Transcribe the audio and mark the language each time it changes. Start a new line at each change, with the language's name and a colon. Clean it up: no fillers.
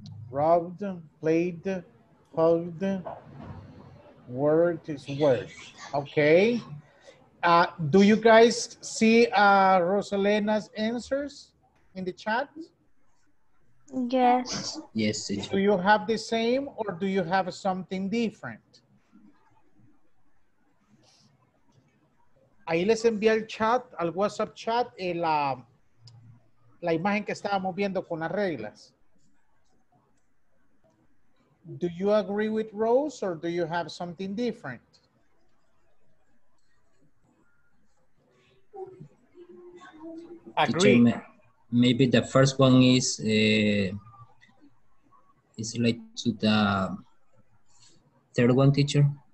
English: Rubbed, played, hugged. Word is word. Okay. Do you guys see Rosalena's answers in the chat? Yes. Yes. Do you have the same or do you have something different?
Spanish: Ahí les envié el chat, al WhatsApp chat, la imagen que estábamos viendo con las reglas.
English: Do you agree with Rose or do you have something different? Agree. Teacher, maybe the first one is like to the third one, teacher.